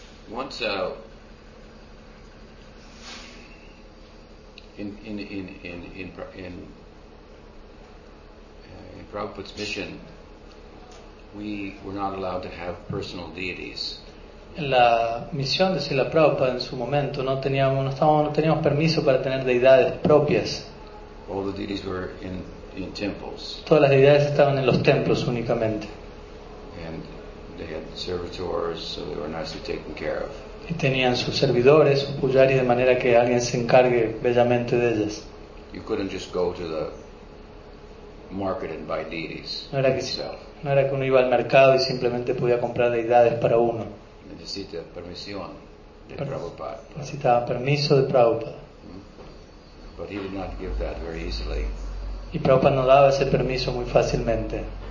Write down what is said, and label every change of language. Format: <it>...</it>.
<en>Once in Prabhupada's mission, we were not allowed to have personal deities.</en> <es>En la misión de Srila Prabhupada en su momento no teníamos permiso para tener deidades propias.</es> <en>All the deities were in temples.</en> <es>Todas las deidades estaban en los templos únicamente.</es> <en>And they had servitors, so they were nicely taken care of.</en> <es>Y tenían sus servidores, sus pujaris, de manera que alguien se encargue bellamente de ellas.</es> <en>You couldn't just go to the market and buy deities.</en> <es>No era que uno iba al mercado y simplemente podía comprar deidades para uno. Necesita permisión de Prabhupada. Necesitaba permiso de Prabhupada.</es> <en>But he did not give that very easily.</en> <es>Y Prabhupada no daba ese permiso muy fácilmente.</es>